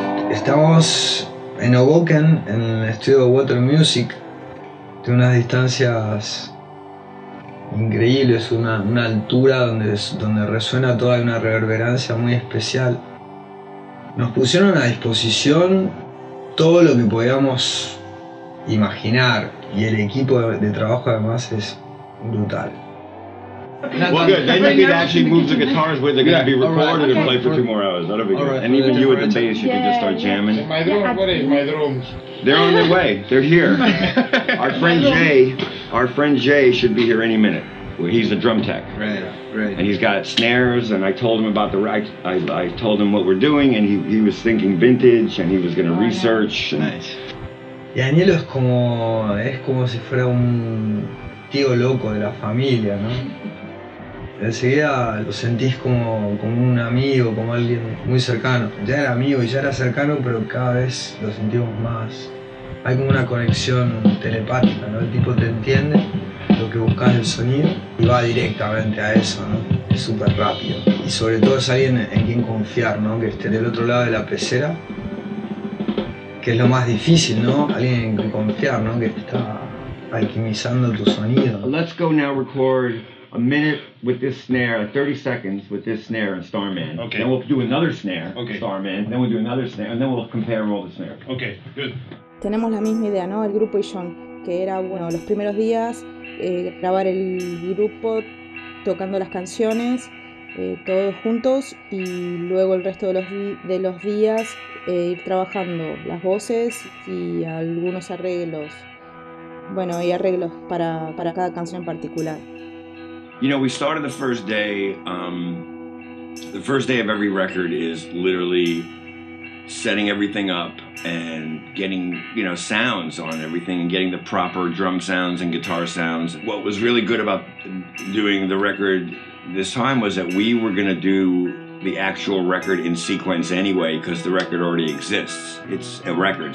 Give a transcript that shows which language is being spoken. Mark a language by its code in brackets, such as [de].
[es] Estamos en Hoboken, en el estudio Water Music, de unas distancias increíbles, una altura donde resuena toda una reverberancia muy especial. Nos pusieron a disposición todo lo que podíamos imaginar y el equipo de trabajo además es brutal. [en] Well, good. Then you could actually move the guitars where they're going to be recorded and play for 2 more hours. That'll be good. Right. And even you at the bass, you can just start jamming. My drums, what is my drums? They're on their way. They're here. Our friend Jay should be here any minute. Well, he's a drum tech. Right. And he's got snares, and I told him about the rack. I told him what we're doing, and he was thinking vintage, and he was going to research. Nice. And [es] Danielo es como si fuera un tío loco de la familia, ¿no? Enseguida lo sentís como un amigo, como alguien muy cercano. Ya era amigo y ya era cercano, pero cada vez lo sentimos más. Hay como una conexión telepática, ¿no? El tipo te entiende lo que buscas del sonido y va directamente a eso, ¿no? Es súper rápido. Y sobre todo es alguien en quien confiar, ¿no? Que esté del otro lado de la pecera, que es lo más difícil, ¿no? Alguien en quien confiar, ¿no? Que está alquimizando tu sonido. [en] Let's go now record a minute with this snare, 30 seconds with this snare and Starman. Okay. Then we'll do another snare, okay. Starman. Then we'll do another snare, and then we'll compare all the snares. Okay, good. [es] Tenemos la misma idea, ¿no? El grupo y John, que era, bueno, los primeros días, grabar el grupo tocando las canciones, todos juntos, y luego el resto de los días ir trabajando las voces y algunos arreglos. Bueno, y arreglos para cada canción en particular. [en] You know, we started the first day, the first day of every record is literally setting everything up and getting, you know, sounds on everything and getting the proper drum sounds and guitar sounds. What was really good about doing the record this time was that we were going to do the actual record in sequence anyway, because the record already exists. It's a record.